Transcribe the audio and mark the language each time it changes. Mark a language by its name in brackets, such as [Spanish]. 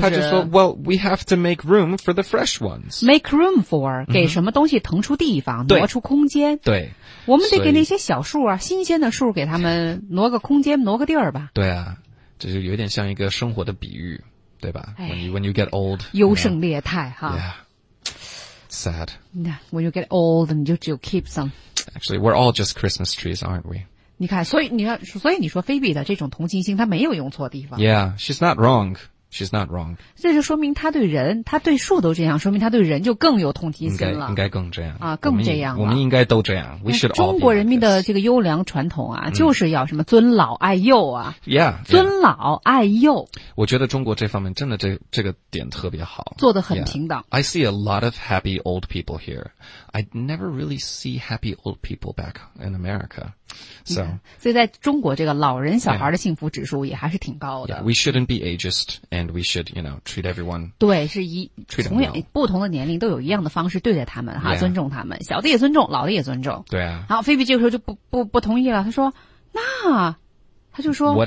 [Chinese] 他就说 [English] ，Well, we have to make room for the fresh ones. [Chinese] Make room for 给什么东西腾出地方，挪出空间。对，我们得给那些小树啊，新鲜的树给他们挪个空间，挪个地儿吧。对啊，这就有点像一个生活的比喻，对吧？哎、 [English] When you get old, [Chinese] 优胜劣汰哈。 [English] Yeah. Sad. When you get old, and you just keep some. Actually, we're all just Christmas trees, aren't we? [Chinese] 你看，所以你说菲比的这种同情心，她没有用错地方。 [English] Yeah, she's not wrong. She's not wrong. [Chinese] 这就说明她对人，她对树都这样，说明她对人就更有同情心了。应该更这样啊，更这样。我们应该都这样。 [English] We should all. [Chinese] 中国人民的这个优良传统啊，就是要什么尊老爱幼啊。 [English] Yeah. [Chinese] 尊老爱幼。我觉得中国这方面真的这个点特别好，做得很平等。 [English] Yeah. I see a lot of happy old people here. I never really see happy old people back in America. So, yeah. [Chinese] 所以在中国这个老人小孩的幸福指数也还是挺高的。 [English] Yeah. We shouldn't be ageist and we should, you know, treat everyone. [Chinese] 对，是以从不同的年龄都有一样的方式对待他们哈、 [English] yeah. [Chinese] 尊重他们，小的也尊重，老的也尊重。对啊。然后菲比这个时候就不同意了，他就说